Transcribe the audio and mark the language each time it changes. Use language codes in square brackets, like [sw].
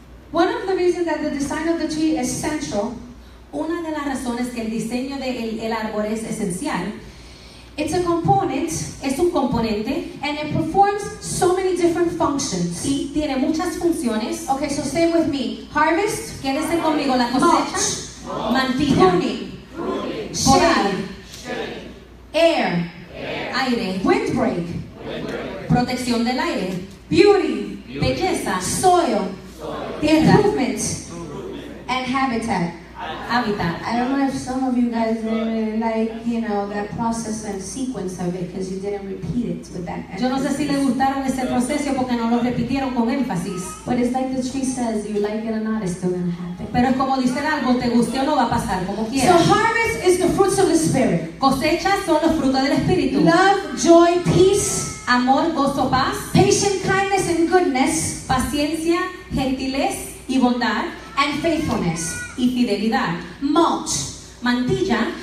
[en] One of the reasons that the design of the tree is central, [es] una de las razones que el diseño de el árbol es esencial, [en] it's a component, [es] es un componente, [en] and it performs so many different functions. [es] Y tiene muchas funciones. [en] Okay, so stay with me. Harvest, [es] quédese conmigo, la cosecha, [en] mulch, [es] mantilla, [en] pruning, [es] podar, [en] air, [es] aire, [en] windbreak, [es] protección del aire, [en] beauty, [es] belleza, [en] soil. The improvement and habitat. [es] Habitat. [en] I don't know if some of you guys like, you know, that process and sequence of it because you didn't repeat it with that emphasis. [es] Yo no sé si les gustaron ese proceso porque no lo repitieron con énfasis. [en] But it's like the tree says, you like it or not, it's still gonna happen. [es] Pero es como dice el árbol, te guste o no, va a pasar como quieras. [en] So harvest is the fruits of the spirit. [es] Cosechas son los frutos del espíritu. [en] Love, joy, peace. [es] Amor, gozo, paz. [en] Patient, kindness, and goodness. [es] Paciencia, gentilez y bondad. [en] And faithfulness. [es] Y fidelidad. [en] Mulch. [es] Mantilla.